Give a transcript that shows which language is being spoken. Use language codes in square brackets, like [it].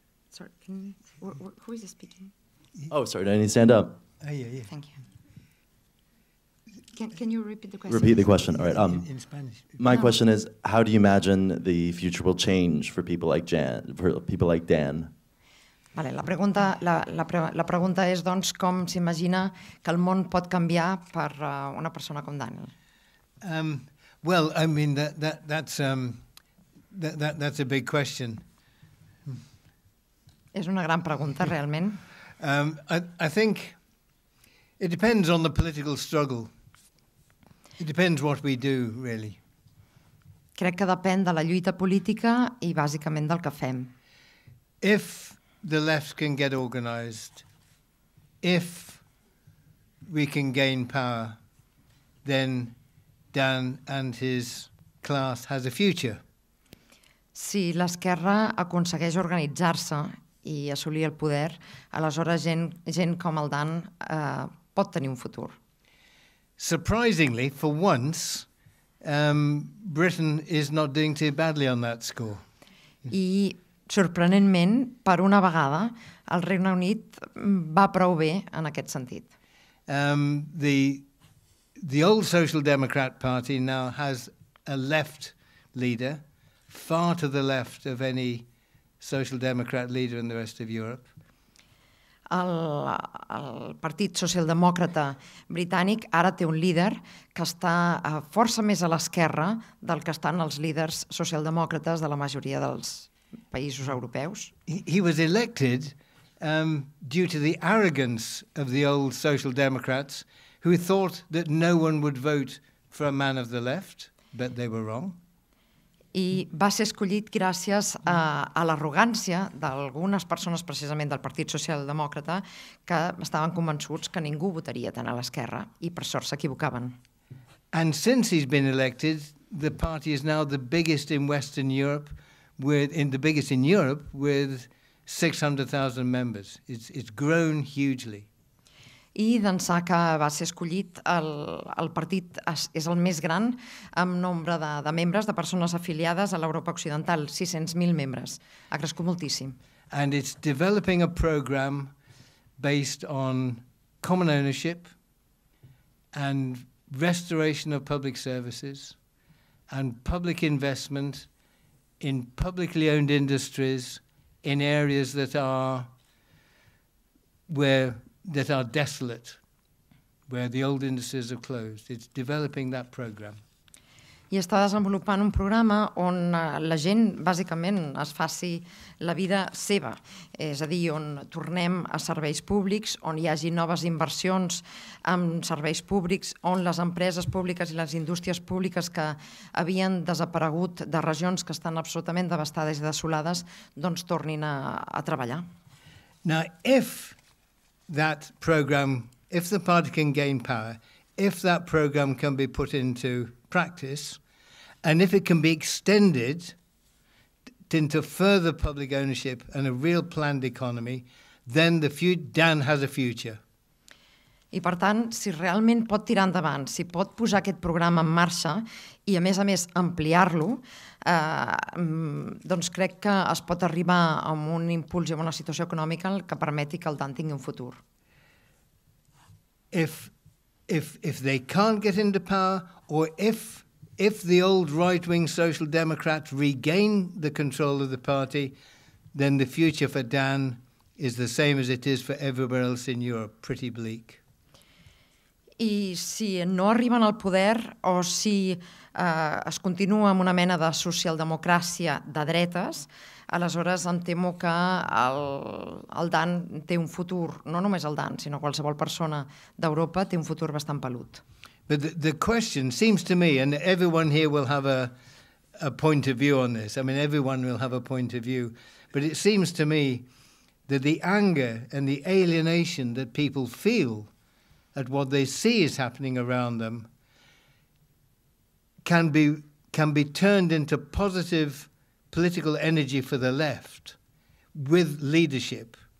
[en] Sorry, who is speaking? Oh, sorry, did I need to stand up? Yeah. Thank you. Can you repeat the question? Repeat the question, all right. In Spanish. My question is, how do you imagine the future will change for people like Jan, for people like Dan? [ca] Vale, la pregunta és, doncs, com s'imagina que el món pot canviar per una persona com Daniel? [en] Well, I mean, that's a big question. [ca] És una gran pregunta, realment. [en] I think it depends on the political struggle. It depends what we do, really. [ca] Crec que depèn de la lluita política i bàsicament del que fem. [en] If the left can get organized, if we can gain power, then Dan and his class has a future. [ca] Si l'esquerra aconsegueix organitzar-se i assolir el poder, aleshores gent com el Dan pot tenir un futur. [en] Surprisingly, for once, Britain is not doing too badly on that score. [ca] I sorprenentment, per una vegada, el Regne Unit va prou bé en aquest sentit. [en] The old Social Democrat Party now has a left leader, far to the left of any Social Democrat leader in the rest of Europe. [ca] El Partit Socialdemòcrata Britànic ara té un líder que està força més a l'esquerra del que estan els líders socialdemòcrates de la majoria dels països europeus. [en] He was elected due to the arrogance of the old Social Democrats, who thought that no one would vote for a man of the left, but they were wrong. [ca] I va ser escollit gràcies a l'arrogància d'algunes persones, precisament del Partit Socialdemòcrata, que estaven convençuts que ningú votaria tant a l'esquerra, i per sort s'equivocaven. [en] And since he's been elected, the party is now the biggest in Western Europe, with 600,000 members. It's grown hugely. [ca] I d'ençà que va ser escollit, el partit és el més gran en nombre de membres, de persones afiliades a l'Europa Occidental, 600.000 membres. Ha crescut moltíssim. [en] And it's developing a program based on common ownership and restoration of public services and public investment in publicly owned industries in areas that are desolate, where the old industries are closed. It's developing that program. [ca] I està desenvolupant un programa on la gent, bàsicament, es faci la vida seva. És a dir, on tornem a serveis públics, on hi hagi noves inversions en serveis públics, on les empreses públiques i les indústries públiques que havien desaparegut de regions que estan absolutament devastades i desolades, doncs tornin a treballar. [en] Now, if the party can gain power, if that program can be put into practice, and if it can be extended into further public ownership and a real planned economy, then Dan has a future. [ca] I per tant, si realment pot tirar endavant, si pot posar aquest programa en marxa i a més ampliar-lo, doncs crec que es pot arribar a un impuls i a una situació econòmica que permeti que el Dan tingui un futur. [en] If they can't get into power, or if the old right-wing Social Democrats regain the control of the party, then the future for Dan is the same as it is for everywhere else in Europe, pretty bleak. [ca] i si no arriben al poder o si es continua amb una mena de socialdemocràcia de dretes, aleshores em temo que el Dan té un futur, no només el Dan, sinó qualsevol persona d'Europa té un futur bastant pelut. [en] But the question seems to me, and everyone here will have a point of view on this, I mean, everyone will have a point of view, but it seems to me that the anger and the alienation that people feel at what they see is happening around them can be turned into positive political energy for the left with leadership.